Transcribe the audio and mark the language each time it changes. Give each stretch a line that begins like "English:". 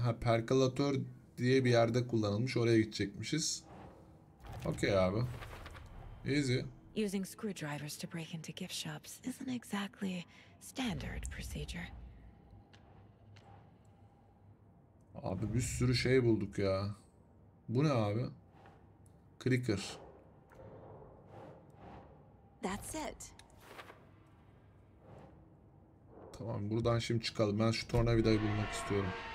Turkish: Ha, perkolatör diye bir yerde kullanılmış. Oraya gidecekmişiz. Okey abi. Easy.
English: Using screwdrivers to break into gift shops isn't exactly standard procedure.
Turkish: Abi bir sürü şey bulduk ya. Bu ne abi? Clicker.
English: That's it.
Turkish: Tamam, buradan şimdi çıkalım. Ben şu tornavidayı bulmak istiyorum.